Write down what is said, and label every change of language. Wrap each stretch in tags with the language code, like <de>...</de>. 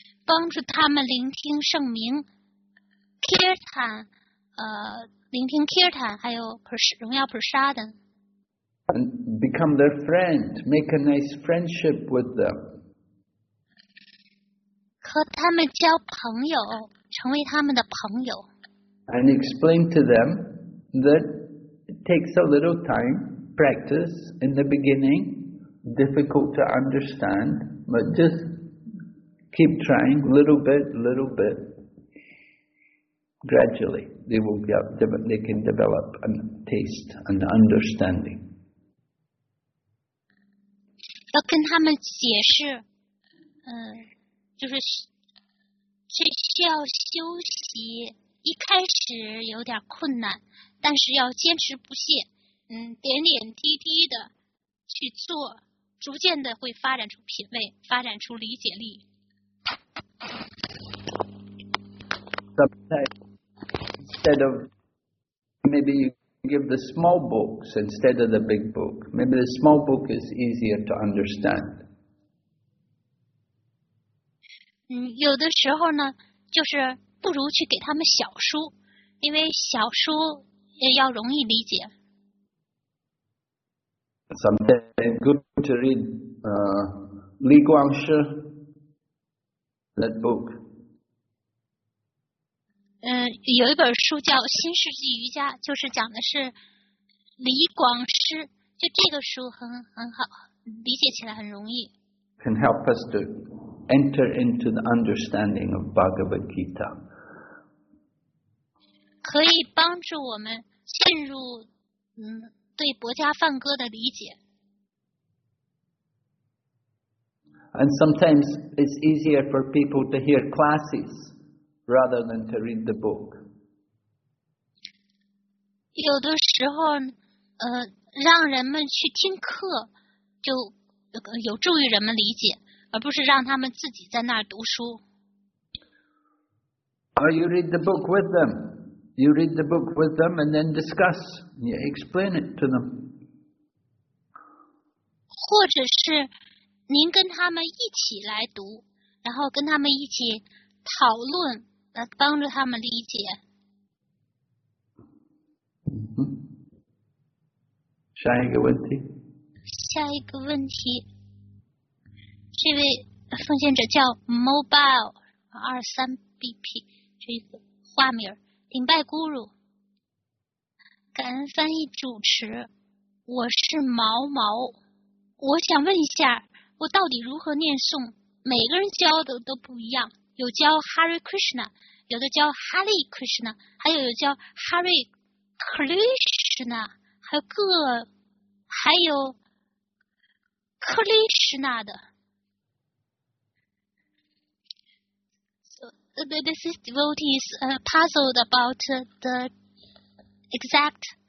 <zh>帮助他们聆听圣名 ，Kirtan， 聆听 Kirtan， 还有荣耀 Prasadam.</zh> <en>And become their friend, make a nice friendship with them.</en> <zh>和他们交朋友，成为他们的朋友。</zh> <en>And explain to them that takes a little time, practice in the beginning, difficult to understand, but just keep trying little bit, gradually they will get, they can develop a taste and understanding.</en> <zh>要跟他们解释，就是这需要休息，一开始有点困难，但是要坚持不懈，点点滴滴的去做，逐渐的会发展出品味，发展出理解力。</zh> <en>Instead of maybe you give the small books instead of the big book. Maybe the small book is easier to understand.</en> <zh>有的时候呢，就是不如去给他们小书，因为小书也要容易理解。</zh> <en>Sometimes good to read Li Guangshi, that book.</en> <zh>有一本书叫《新世纪瑜伽》，就是讲的是李广师，就这个书很好，理解起来很容易。</zh> <en>Can help us to enter into the understanding of Bhagavad Gita.</en> <zh>可以帮助我们进入对《薄伽梵歌》的理解。</zh> <en>And sometimes it's easier for people to hear classes. Rather than to read the book.</en> <zh>有的时候，让人们去听课，就有助于人们理解，而不是让他们自己在那儿读书。</zh> <en>Or you read the book with them. You read the book with them and then discuss. You explain it to them.</en> <zh>或者是您跟他们一起来读，然后跟他们一起讨论。帮助他们理解。下一个问题。下一个问题，这位奉献者叫 Mobile23BP， 这个化名，顶拜咕噜，感恩翻译主持，我是毛毛，我想问一下，我到底如何念诵？每个人教的都不一样，有教 Hare Krishna。有的叫哈利·克里什纳，还有叫哈瑞·克里什纳，还有克里什纳的。</zh> <en>So, this devotee is puzzled about the exact</en>